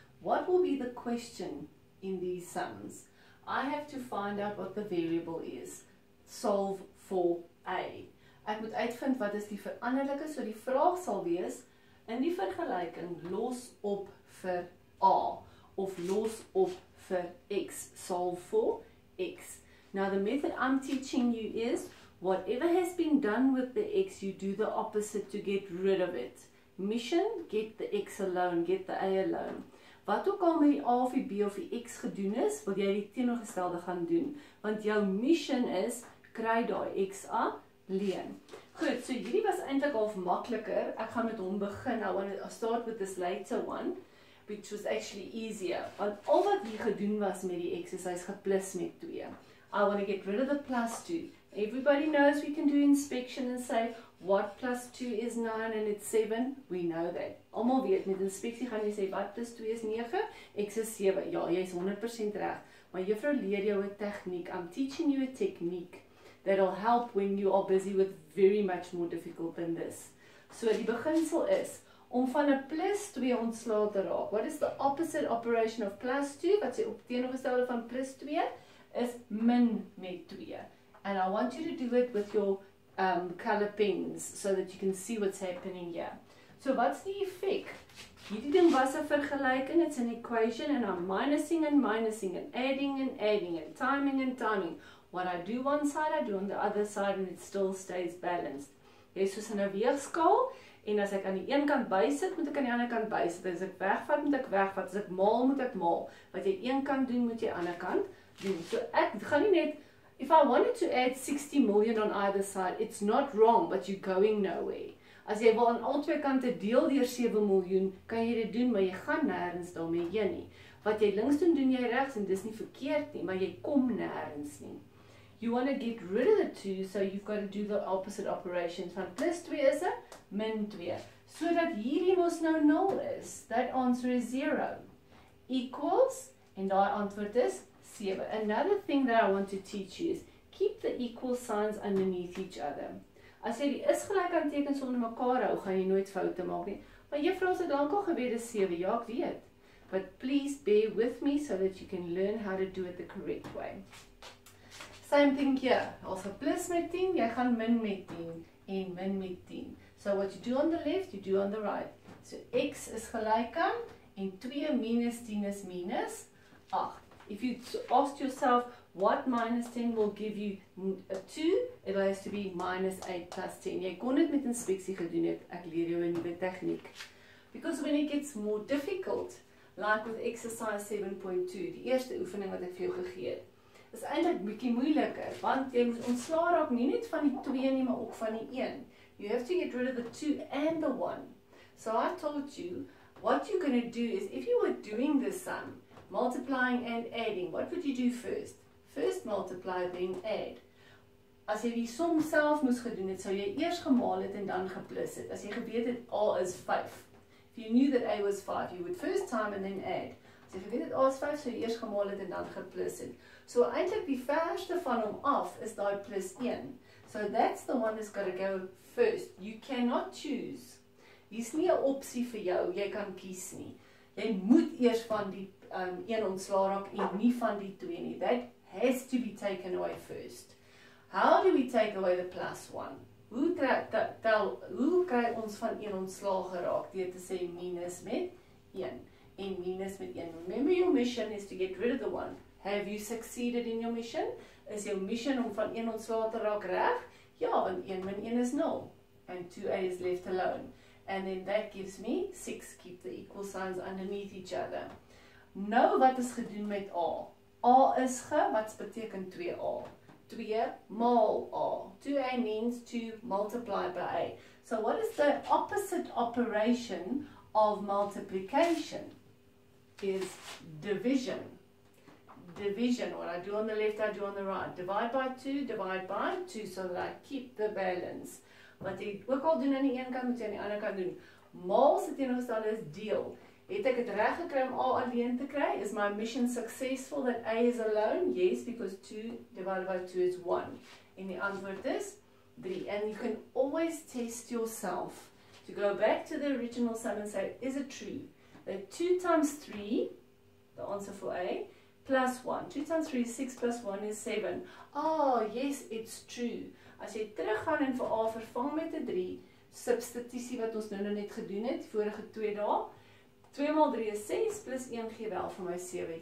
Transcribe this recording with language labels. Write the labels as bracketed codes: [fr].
[en] What will be the question in these sums? I have to find out what the variable is. Solve for A. [af] Ek moet uitvind wat is die veranderlike, so die vraag sal wees, in die vergelyking, los op vir A, of los op vir X, [en] solve for X. Now the method I'm teaching you is, whatever has been done with the X, you do the opposite to get rid of it. Mission, get the X alone, get the A alone. [af] Wat ook al met die A of die B of die X gedoen is, wil jy die teenoorgestelde gaan doen. Want jou mission is, kry die X af, leen. Goed, so hierdie was eintlik al makliker. Ek gaan met hom begin, [en] I want to start with this later one, which was actually easier. [af] Want al wat hier gedoen was met die X is, hy is geplus met 2. [en] I want to get rid of the plus 2. Everybody knows we can do inspection and say, what plus 2 is 9 and it's 7? We know that. [af] Almal weet, met inspectie gaan jy sê, wat plus 2 is 9? X is 7. Ja, jy is 100% reg. Maar juffrou leer jou 'n techniek. [en] I'm teaching you a technique that will help when you are busy with very much more difficult than this. [af] So die beginsel is, om van 'n plus 2 ontslaan te raak. [en] What is the opposite operation of plus 2? [af] Wat sê op teenoorgestelde van plus 2? Is min met 2. [en] And I want you to do it with your color pens, so that you can see what's happening here. So what's the effect? [af] Hierdie ding was 'n vergelyking, [en] it's an equation, and I'm minusing and minusing, and adding, and timing and timing. What I do one side, I do on the other side, and it still stays balanced. [af] Jy is soos in 'n weegskaal, en as ek aan die een kant bysit, moet ek aan die ander kant bysit. As ek wegvat, moet ek wegvat. As ek maal, moet ek maal. Wat jy een kant doen, moet jy ander kant doen. So ek gaan nie net, [en] if I wanted to add 60 million on either side, it's not wrong, but you're going nowhere. [af] As jy wil aan al twee kante deel deur 7 miljoen, kan jy dit doen, maar jy gaan nêrens daarmee heen nie. Wat jy links doen, doen jy regs, en dis nie verkeerd nie, maar jy kom nêrens nie. [en] You want to get rid of the 2, so you've got to do the opposite operation. [af] Van plus 2 is 'n min 2. So dat hierdie mos nou 0 is, [en] that answer is 0. [af] Equals, en daai antwoord is 7. [en] Another thing that I want to teach you is, keep the equal signs underneath each other. [af] As jy die is gelyk aan tekens onder mekaar hou, gaan jy nooit foute maak nie. Maar juffrou, het dalk al gebeur dis 7, ja ek weet. [en] But please bear with me so that you can learn how to do it the correct way. Same thing here, [af] als jy plus met 10, jy gaan min met 10, en min met 10. [en] So what you do on the left, you do on the right. So [af] x is gelyk aan, en [en] 2 minus 10 is minus 8. If you ask yourself, what minus 10 will give you a 2, it has to be minus 8 plus 10. [af] Jy kon dit met inspeksie gedoen het, ek leer jou 'n nuwe tegniek. [en] Because when it gets more difficult, like with exercise 7.2, [af] die eerste oefening wat ek vir jou gegee het, is eintlik bietjie moeiliker, want jy moet ontslaa raak nie net van die 2 nie, maar ook van die 1. [en] You have to get rid of the 2 and the 1. So I told you, what you're going to do is, if you were doing this sum, multiplying and adding, what would you do first? First multiply, then add. [af] As jy die som self moes gedoen het, sou jy eers gemaal het en dan geplus het. As jy geweet het, A is 5. [en] If you knew that A was 5, you would first time and then add. [af] As jy geweet het, A is 5, sou jy eers gemaal het en dan geplus het. So eintlik die verste van hom af is daai plus 1. [en] So that's the one that's got to go first. You cannot choose. [af] Hier is nie 'n opsie vir jou, jy kan kies nie. Jy moet eers van die 1 ontslaa raak en nie van die 2 nie. [en] That has to be taken away first. How do we take away the plus 1? [af] Hoe kry ons van 1 ontslaa geraak deur te sê minus met 1 en minus met 1? [en] Remember your mission is to get rid of the 1. [af] Have you succeeded in your mission? Is jou mission om van 1 ontslaa te raak reg? Ja, want 1 min 1 is 0. [en] And 2a is left alone. And then that gives me 6. Keep the equal signs underneath each other. [af] Nou, wat is gedoen met A? A is ge, wat beteken 2A? 2 maal A. [en] 2A means 2 multiplied by A. So what is the opposite operation of multiplication? Is division. Division, what I do on the left, I do on the right. Divide by 2, divide by 2, so that I keep the balance. [af] Wat jy ook al doen aan die een kant, moet jy aan die ander kant doen. Maal se teenoorgestelde is deel. Het ek het reg gekry om A alleen te kry? [en] Is my mission successful that A is alone? Yes, because 2 divided by 2 is 1. [af] En die antwoord is 3. [en] And you can always test yourself to go back to the original sum and say, is it true that 2 times 3, the answer for A, plus 1. 2 times 3 is 6 plus 1 is 7. Oh, yes, it's true. [af] As jy teruggaan en vir A vervang met 'n 3, substitusie wat ons nou net gedoen het, vorige 2 dae, 2 maal 3 is 6 plus 1 gee wel vir my 7.